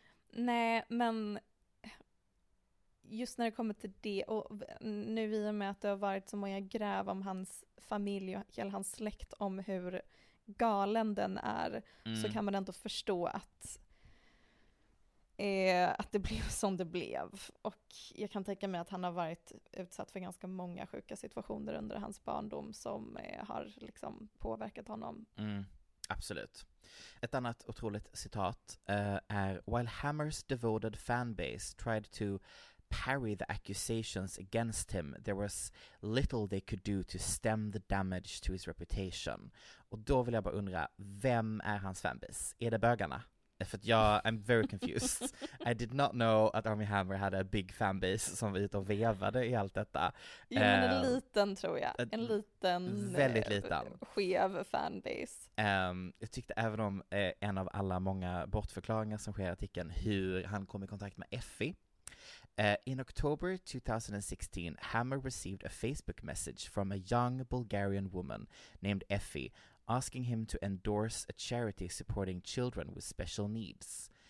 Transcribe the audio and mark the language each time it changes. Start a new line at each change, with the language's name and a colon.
Swedish: Nej, men just när det kommer till det, och nu i och med att det har varit så många gräv om hans familj och hela hans släkt om hur galen den är, så kan man ändå förstå att det blev som det blev. Och jag kan tänka mig att han har varit utsatt för ganska många sjuka situationer under hans barndom som har liksom påverkat honom. Absolut. Ett annat otroligt citat är:
English: "While Hammer's devoted fanbase tried to parry the accusations against him, there was little they could do to stem the damage to his reputation."
Swedish: Och då vill jag bara undra, vem är hans fanbase? Är det bögarna? För att jag,
English: I'm very confused. I did not know
Swedish: att Armie Hammer hade en big fanbase som var ute och vevade i allt detta. Jo, men en liten, tror jag. En liten, väldigt liten, skev fanbase. Jag tyckte även om en av alla många bortförklaringar som sker i artikeln, hur han kom i kontakt med Effie.
English: "In October 2016, Hammer received a Facebook message from a young Bulgarian woman named Effie asking him to endorse a charity supporting children with special needs."